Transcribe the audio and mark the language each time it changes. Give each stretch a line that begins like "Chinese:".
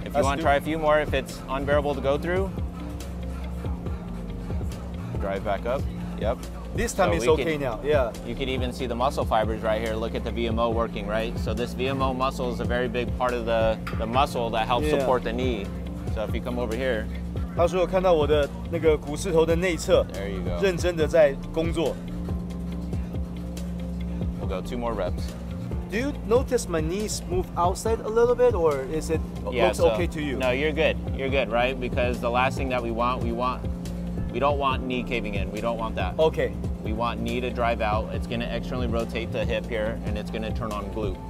English: If you want to try a few more, if it's unbearable to go through, drive back up. Yep. This time it's okay now. Yeah. You can even see the muscle fibers right here. Look at the VMO working, right? So this VMO muscle is a very big part of the muscle that helps support the knee. So if you come over here.
Chinese: 他说：“看到我的那个股四头的内侧，认真的在工作。”
English: We'll go two more reps. Do you notice my knees move outside a little bit, or is it looks okay to you? No, you're good. You're good, right? Because the last thing that we don't want knee caving in. We don't want that. Okay. We want knee to drive out. It's going to externally rotate the hip here, and it's going to turn on glute.